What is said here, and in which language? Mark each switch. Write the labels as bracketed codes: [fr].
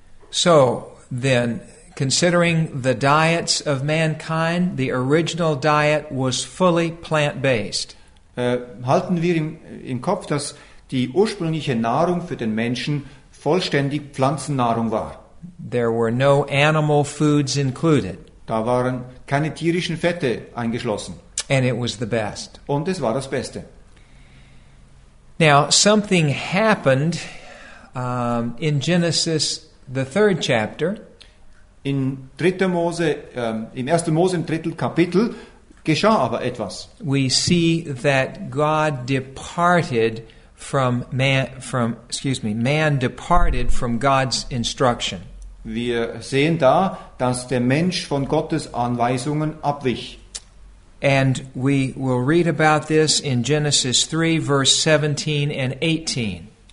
[en] So then, considering the diets of mankind, the original diet was fully plant-based. [de] Halten wir im Kopf, dass die ursprüngliche Nahrung für den Menschen vollständig Pflanzennahrung war. [en] There were no animal foods included. [de] Da waren keine tierischen Fette eingeschlossen. [en] And it was the best. [de] Und es war das Beste. [en] Now, something happened in Genesis, the third chapter. [de] In 3. Mose, im 1. Mose, im 3. Kapitel, geschah aber etwas. [en] We see that God departed from man, man departed from God's instruction. [de] Wir sehen da, dass der Mensch von Gottes Anweisungen abwich. [en] And we will read about this in Genesis 3, verse 17 and 18.